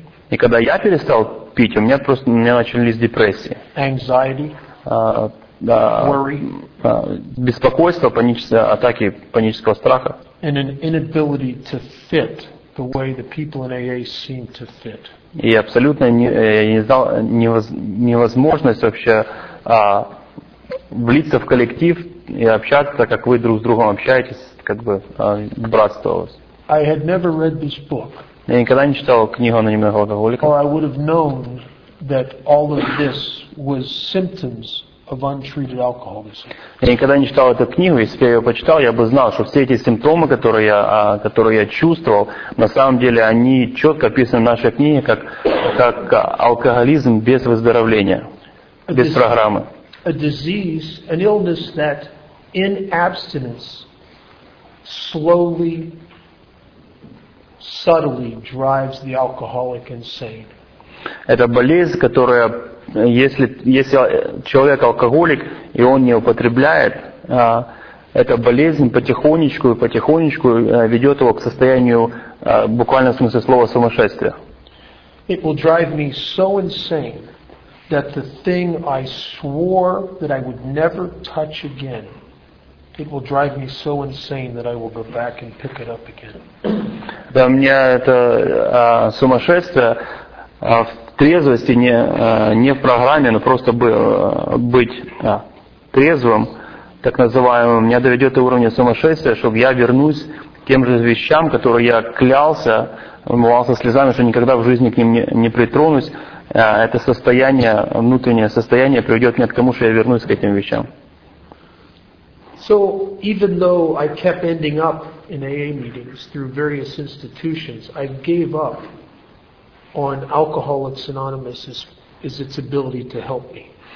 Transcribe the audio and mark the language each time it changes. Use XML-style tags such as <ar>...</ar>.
<ru>И когда я перестал пить, у меня начались депрессии.</ru> <en>Anxiety, worry,</en> <ru>беспокойство, атаки панического страха.</ru> <en>И inability to fit the way the people in AA seem to fit.</en> <ru>И абсолютно невозможность вообще влиться в коллектив и общаться, как вы друг с другом общаетесь, как бы братство у вас.</ru> <en>I had never read this book.</en> <ru>Я никогда не читал книгу анонимных алкоголиков.</ru> <en>Or I would have known that all of this was symptoms of untreated alcoholism.</en> <ru>Я никогда не читал эту книгу, если бы я ее почитал, я бы знал, что все эти симптомы, которые я чувствовал, на самом деле они четко описаны в нашей книге как алкоголизм без выздоровления, без программы.</ru> <en>A disease, an illness that in abstinence slowly, subtly drives the alcoholic insane.</en> <ru>Это болезнь, которая, если человек алкоголик и он не употребляет, эта болезнь потихонечку ведет его к состоянию, буквально в смысле слова, сумасшествия.</ru> <en>It will drive me so insane that the thing I swore that I would never touch again, it will drive me so insane that I will go back and pick it up again.</en> <ru>Да, у меня это сумасшествие. В трезвости не в программе, но просто быть трезвым, так называемым, меня доведет до уровня сумасшествия, чтобы я вернусь к тем же вещам, которые я клялся, умывался слезами, что никогда в жизни к ним не притронусь. Это состояние, внутреннее состояние приведет меня к тому, что я вернусь к этим вещам.</ru> <en>So, even though I kept ending up in AA meetings through various institutions, I gave up on Alcoholics Anonymous is its ability to help me.</en>